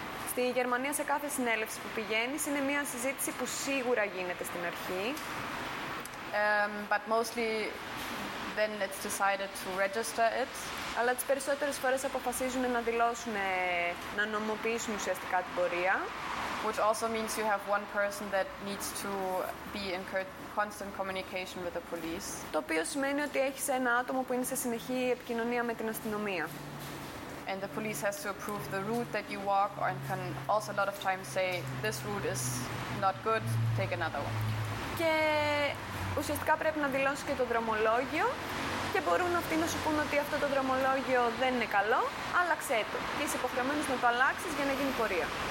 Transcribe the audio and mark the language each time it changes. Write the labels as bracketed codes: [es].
[el] Στη Γερμανία σε κάθε συνέλευση που πηγαίνεις είναι μια συζήτηση που σίγουρα γίνεται στην αρχή. [en] But mostly then it's decided to register it. [el] Αλλά τις περισσότερες φορές αποφασίζουν να δηλώσουν, να νομιμοποιήσουν ουσιαστικά την πορεία. [en] Which also means you have one person that needs to be in constant communication with the police. [el] Το οποίο σημαίνει ότι έχεις ένα άτομο που είναι σε συνεχή επικοινωνία με την αστυνομία. [en] And the police has to approve the route that you walk and can also a lot of times say, this route is not good, take another one. [el] Και ουσιαστικά πρέπει να δηλώσεις και το δρομολόγιο και μπορούν αυτοί να σου πούνε ότι αυτό το δρομολόγιο δεν είναι καλό, άλλαξέ το και είσαι υποχρεωμένος να το αλλάξεις για να γίνει πορεία.